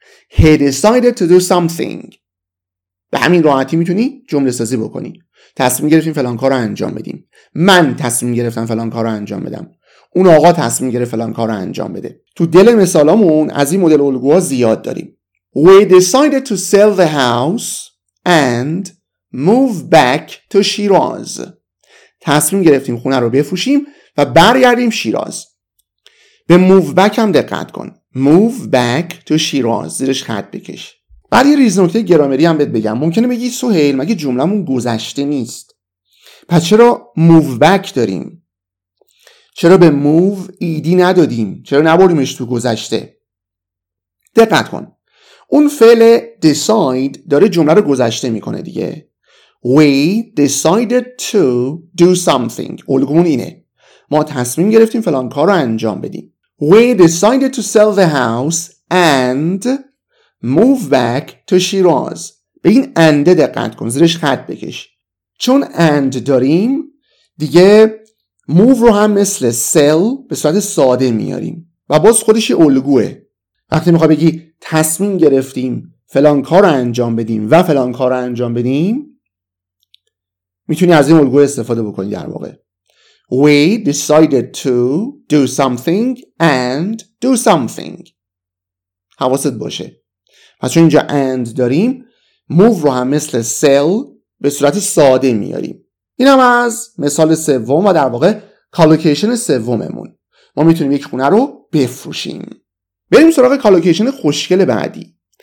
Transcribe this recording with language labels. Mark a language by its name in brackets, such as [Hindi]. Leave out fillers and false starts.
[English] He decided to do something. [Persian] به همین راحتی میتونی جمله سازی بکنی. تصمیم گرفتیم فلان کار رو انجام بدیم. من تصمیم گرفتم فلان کار رو انجام بدم. اون آقا تصمیم گرفت فلان کار رو انجام بده. تو دل مثالامون از این مدل الگوها زیاد داریم. [English] We decided to sell the house and move back to Shiraz. [Persian] تصمیم گرفتیم خونه رو بفروشیم و برگردیم شیراز. به move back هم دقت کن. [English] Move back to Shiraz. [Persian] زیرش خط بکش. بعد یه ریز نکته گرامری هم بهت بگم. ممکنه بگی سهیل مگه جملمون گذشته نیست؟ پس چرا move back داریم؟ چرا به move ایدی ندادیم؟ چرا نبریمش تو گذشته؟ دقت کن. اون فعل decide داره جمله رو گذشته میکنه دیگه. [English] We decided to do something. [Persian] الگومون اینه. ما تصمیم گرفتیم فلان کار رو انجام بدیم. [English] We decided to sell the house and move back to Shiraz. [Persian] به این and دقت کن، زیرش خط بکش. چون and داریم دیگه move رو هم مثل sell به صورت ساده میاریم و باز خودش الگوه. وقتی میخوای بگی تصمیم گرفتیم فلان کار انجام بدیم و فلان کار انجام بدیم، میتونی از این الگو استفاده بکنی. در واقع [English] We decided to do something and do something. [Persian] حواست باشه. پس چون اینجا and داریم، move رو هم مثل sell به صورت ساده میاریم. اینم از مثال سوم و در واقع کالوکیشن سوممون. ما میتونیم یک خونه رو بفروشیم. بریم سراغ کالوکیشن خوشگل بعدی.